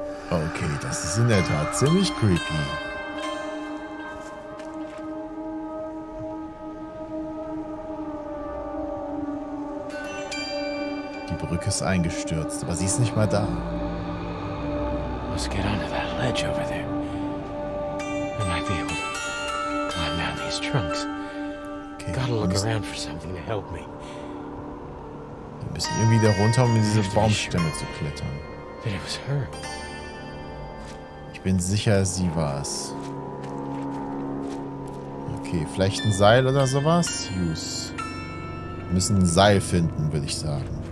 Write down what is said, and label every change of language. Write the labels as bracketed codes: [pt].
[de] Okay, das ist in der Tat ziemlich creepy. Die Brücke ist eingestürzt, aber sie ist nicht mal da. [en] Let's get under that ledge over there. We might be able to climb down these trunks. Okay, gotta look around for something to help me. [de] Wir müssen irgendwie da runter, um in diese Baumstämme zu klettern. [en] But it was her. [de] Ich bin sicher, sie war es. Okay, vielleicht ein Seil oder sowas? Use. Wir müssen ein Seil finden, würde ich sagen.